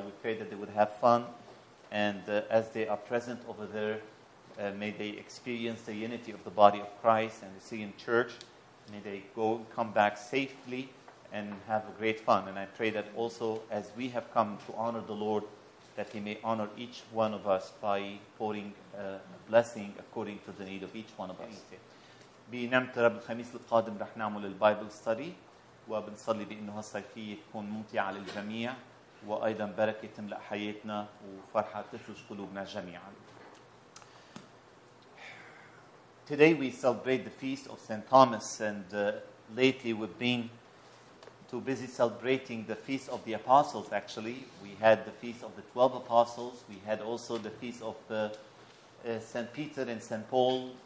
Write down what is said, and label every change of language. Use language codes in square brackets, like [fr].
[en] We pray that they would have fun, and as they are present over there, may they experience the unity of the body of Christ and the Syrian church. May they go and come back safely and have a great fun. And I pray that also, as we have come to honor the Lord, that He may honor each one of us by pouring a blessing according to the need of each one of us. [ar] بنعمة رب الخميس القادم رح نعمل البايبل ستدي وبنصلي بأنه هالصيفية تكون ممتعة للجميع وأيضا بركة تملأ حياتنا وفرحة تفرج قلوبنا جميعا. [en] Today we celebrate the feast of St. Thomas, and lately we've been too busy celebrating the Feast of the Apostles. Actually, we had the Feast of the 12 Apostles. We had also the Feast of St. Peter and St. Paul.